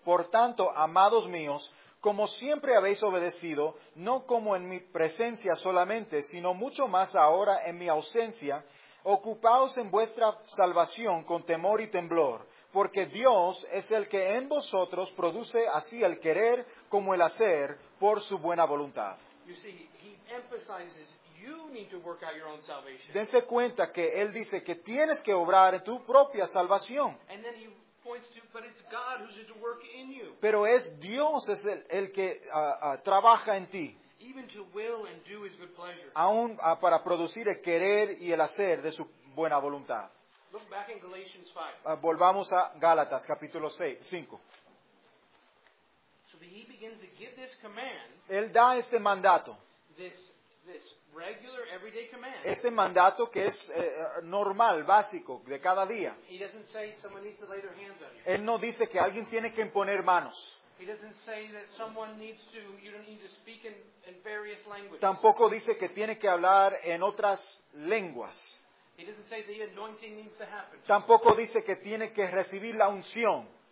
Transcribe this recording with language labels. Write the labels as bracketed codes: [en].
[es] Por tanto, amados míos, como siempre habéis obedecido, no como en mi presencia solamente, sino mucho más ahora en mi ausencia, ocupaos en vuestra salvación con temor y temblor, porque Dios es el que en vosotros produce así el querer como el hacer por su buena voluntad. [en] You see, he emphasizes you need to work out your own salvation. [es] Dense cuenta que él dice que tienes que obrar en tu propia salvación. [en] And then but it's God who's at work in you. [es] Pero es Dios es el que trabaja en ti. [en] Even to will and do his good pleasure. [es] Aún para producir el querer y el hacer de su buena voluntad. [en] Look back in Galatians 5. [es] Volvamos a Gálatas capítulo 5. [en] So he begins to give this command. [es] Él da este mandato. [en] This regular everyday command. [es] Este mandato que es normal, básico, de cada día. [en] He doesn't say someone needs to lay their hands on you. [es] Él no dice que alguien tiene que imponer manos. [en] He doesn't say that someone needs to, you don't need to speak in various languages. [es] Tampoco dice que tiene que hablar en otras lenguas. [en] He doesn't say the anointing needs to happen. [es] Tampoco dice que tiene que recibir la unción.